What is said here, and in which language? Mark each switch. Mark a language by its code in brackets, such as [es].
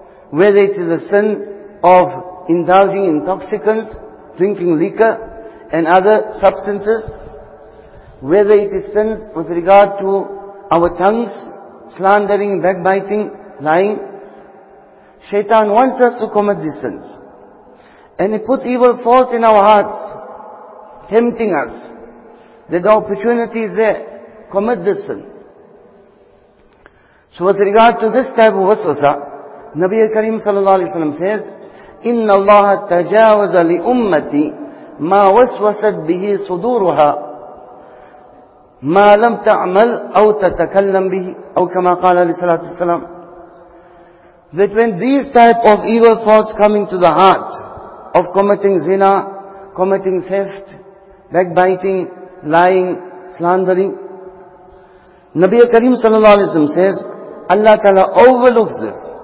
[en] whether it is the sin of indulging intoxicants, drinking liquor and other substances, whether it is sins with regard to our tongues, slandering, backbiting, lying. Shaitan wants us to commit these sins. And it puts evil thoughts in our hearts, tempting us that the opportunity is there, commit this sin. So with regard to this type of waswasa, Nabi Kareem sallallahu alaihi wasallam says, [ar] إن الله تجاوز لأمتي ما وسوست به صدورها ما لم تعمل أو تتكلم به أو كما قال عليه الصلاة والسلام. [en] That when these type of evil thoughts coming to the heart of committing zina, committing theft, backbiting, lying, slandering, Nabi Karim sallallahu alaihi wasallam says, Allah Ta'ala overlooks this.